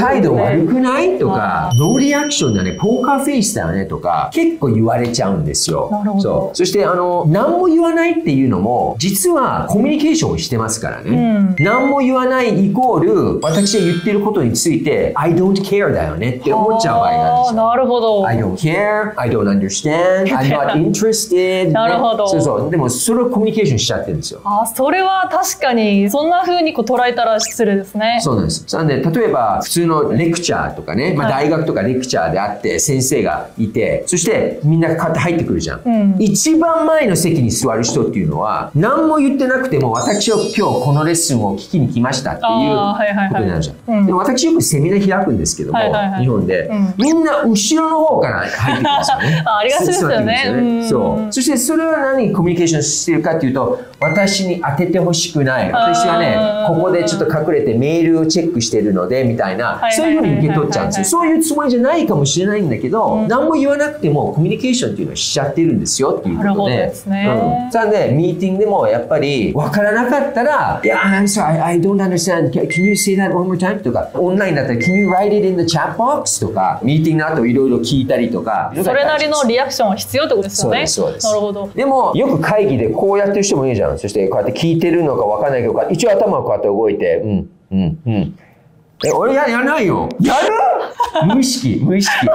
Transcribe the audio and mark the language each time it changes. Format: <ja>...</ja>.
<ja>態度悪くないとか、ノーリアクションだね、ポーカーフェイスだよねとか結構言われちゃうんですよ。なるほど。そして、あの、何も言わないっていうのも実はコミュニケーションをしてますからね、うん、何も言わないイコール私が言ってることについて</ja> <en>I don't care</en> <ja>だよねって思っちゃう場合なんですよ。なるほど。</ja> <en>I don't care, I don't understand, I'm not interested。</en> <ja>なるほど、ね、そうそう、でもそれをコミュニケーションしちゃってるんですよ。あ、それは確かにそんな風にこう捉えたら失礼ですね。そうなんです。なんで例えば普通のレクチャーとかね、まあ、大学とかレクチャーであって先生がいて、はい、そしてみんなこうやって入ってくるじゃん、うん、一番前の席に座る人っていうのは何も言ってなくても私は今日このレッスンを聞きに来ましたっていうことになるじゃん、はいはいはい、でも私よくセミナー開くんですけども、はいはいはい、日本で、うん、みんな後ろの方から入ってきますよね。あ、ありがたいですよね。うん、そう。そしてそれは何にコミュニケーションしてるかっていうと、私に当ててほしくない、私はねここでちょっと隠れてメールをチェックしてるのでみたいな、そういうふうに受け取っちゃうんですよ。そういうつもりじゃないかもしれないんだけど、うん、何も言わなくてもコミュニケーションっていうのはしちゃってるんですよっていうことで。なるほどですね。なので、ミーティングでもやっぱり分からなかったら、いや、</ja> <en>I'm sorry, I don't understand, can you say that one more time?</en> <ja>とか、オンラインだったら</ja> <en>can you write it in the chat box?</en> <ja>とか、ミーティングの後いろいろ聞いたりとか、それなりのリアクションは必要ってことですよね。そうです、そうです。なるほど。でもよく会議でこうやってる人もいるじゃん、そしてこうやって聞いてるのか分からないけど、一応頭をこうやって動いて、うんうんうん、え、俺やらないよ、やる。無意識、無意識。</ja>